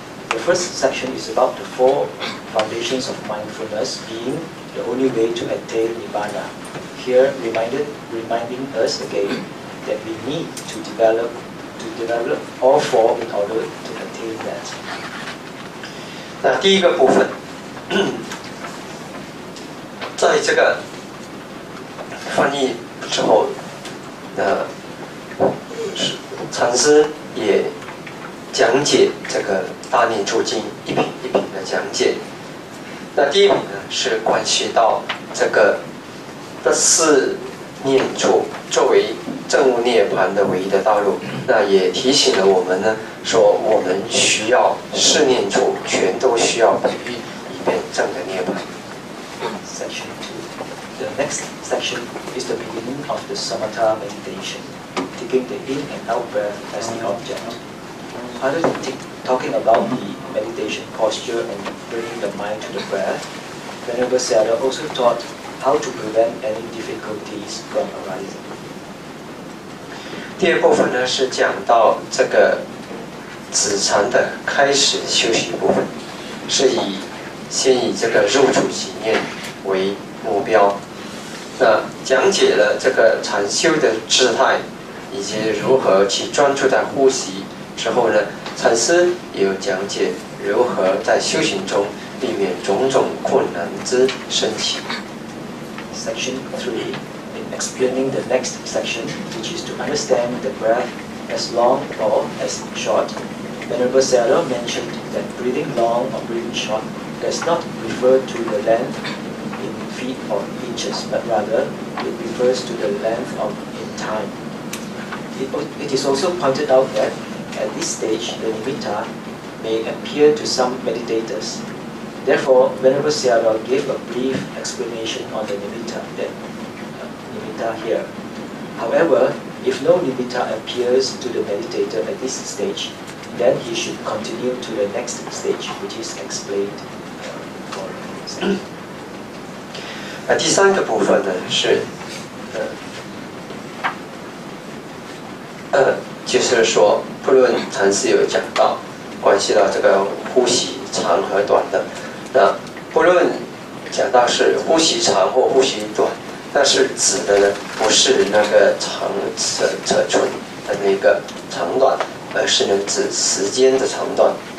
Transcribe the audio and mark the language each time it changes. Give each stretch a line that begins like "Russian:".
English: The first section is about the four foundations of mindfulness being the only way to attain Nibbana. Here, reminding us again that we need to develop all four in order to attain that.
Chinese: 那第一个部分，在这个翻译之后，禅师也讲解这个《大念处经》，一品一品的讲解。那第一品呢，是关系到这个的四念处作为证悟涅槃的唯一的道路。那也提醒了我们呢，说我们需要四念处全都需要培育，以便证得涅槃。
English: Section two, the next section is the beginning of the Samatha meditation, taking the in and out breath as the object. Other than talking about the meditation posture and bringing the mind to the breath, Venerable Sayadaw also taught how to prevent any difficulties from arising.
Chinese: 第二部分呢是讲到这个止禅的开始休息部分，是以先以这个入处起念为目标，那讲解了这个禅修的姿态以及如何去专注在呼吸之后呢，禅师也有讲解如何在修行中避免种种困难之升起。
English: Section 3 in explaining the next section, which is to understand the breath as long or as short, Venerable Sayadaw mentioned that breathing long or breathing short does not refer to the length in feet or inches, but rather it refers to the length of in time. It is also pointed out that at this stage, the nimitta may appear to some meditators. Therefore, Venerable Sayadaw gave a brief explanation on the nimitta here. However, if no nimitta appears to the meditator at this stage, then he should continue to the next stage, which is explained for him.
Chinese: 那第三个部分呢是就是说不论禅师有讲到关系到这个呼吸长和短的，那不论讲到是呼吸长或呼吸短，但是指的呢不是那个长尺寸的那个长短，而是呢指时间的长短。